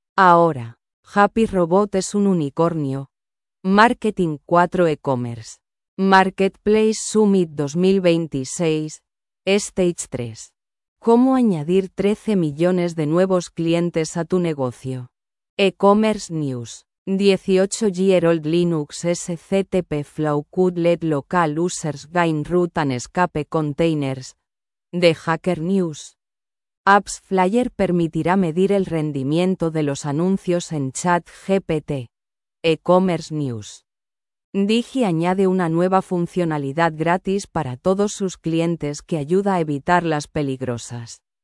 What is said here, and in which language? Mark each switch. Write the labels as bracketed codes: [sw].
[es] Ahora, Happy Robot es un unicornio. Marketing 4 e-commerce. Marketplace Summit 2026. Stage 3. ¿Cómo añadir 13 millones de nuevos clientes a tu negocio? E-commerce News. [en] 18-year-old Linux SCTP Flow could let local users gain root and escape containers. The Hacker News. [es] Apps Flyer permitirá medir el rendimiento de los anuncios en ChatGPT. E-commerce News. Digi añade una nueva funcionalidad gratis para todos sus clientes que ayuda a evitar las peligrosas